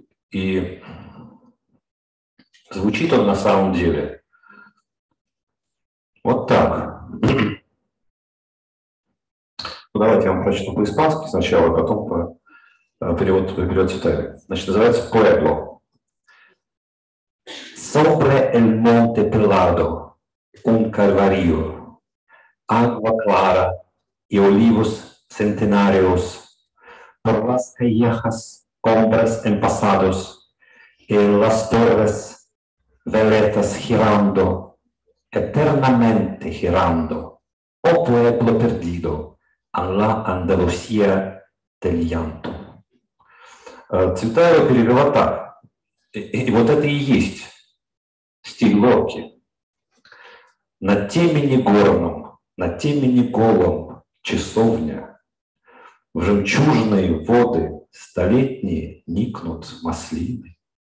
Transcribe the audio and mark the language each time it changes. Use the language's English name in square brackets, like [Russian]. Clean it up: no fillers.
[Russian] И звучит он на самом деле вот так. Ну, давайте я вам прочту по-испански сначала, потом перевод Цветаева. Значит, называется «Pueblo». [Spanish] «Sobre el monte pelado, un calvario, agua clara y olivos centenarios, por las callejas, hombres empasados, en las torres, veletas girando, eternamente girando, oh pueblo perdido, a la Andalucía del llanto». [Russian] Цветаева перевела так. И вот это и есть стиль Лорки. «На темени горном, на темени голом часовня, в жемчужные воды столетние никнут маслины.